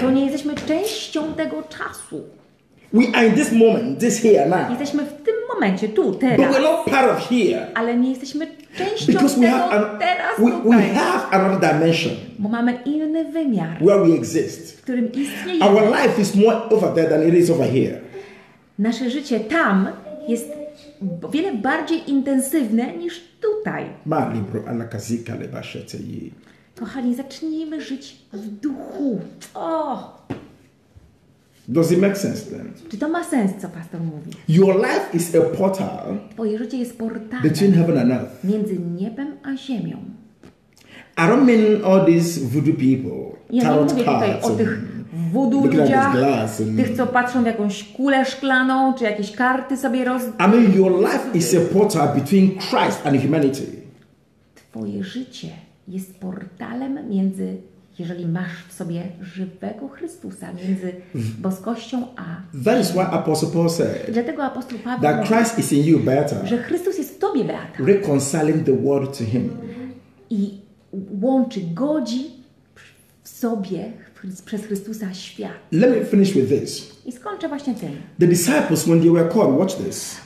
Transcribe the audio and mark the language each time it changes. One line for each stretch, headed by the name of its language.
Polish: To nie jesteśmy częścią tego czasu.
English: We are in this moment, this here now.
Polish: Jesteśmy w tym momencie, tu, teraz.
English: But we're not part of here.
Polish: Ale nie jesteśmy częścią tego teraz,
English: we have another dimension.
Polish: Bo mamy inny wymiar.
English: Where we exist.
Polish: W którym istniejemy.
English: Our life is more over there than it is over here.
Polish: Nasze życie tam jest wiele bardziej intensywne niż tutaj. Ma libro alla kazika le bashete yi. Kochani, zacznijmy żyć w duchu. Oh.
English: Does it make sense then?
Polish: Czy to ma sens, co pastor mówi?
English: Your life is a portal.
Polish: Twoje życie jest portalem.
English: Between heaven and earth.
Polish: Między niebem a ziemią.
English: I don't mean all these voodoo people.
Polish: Ja nie mówię tutaj o tych voodoo ludziach, tych, co patrzą w jakąś kulę szklaną, czy jakieś karty sobie roz.
English: I mean, your life is a portal between Christ and humanity.
Polish: Twoje życie jest portalem między, jeżeli masz w sobie żywego Chrystusa, między boskością a...
English: That is why Apostle Paul said,
Polish: dlatego apostoł Paweł
English: that Christ
Polish: mówi,
English: is in you, Beata,
Polish: że Chrystus jest w tobie, Beata.
English: Reconciling the world to him.
Polish: I łączy, godzi w sobie przez Chrystusa świat.
English: Let me finish with this.
Polish: I skończę właśnie tym.
English: The disciples, when they were called, watch this.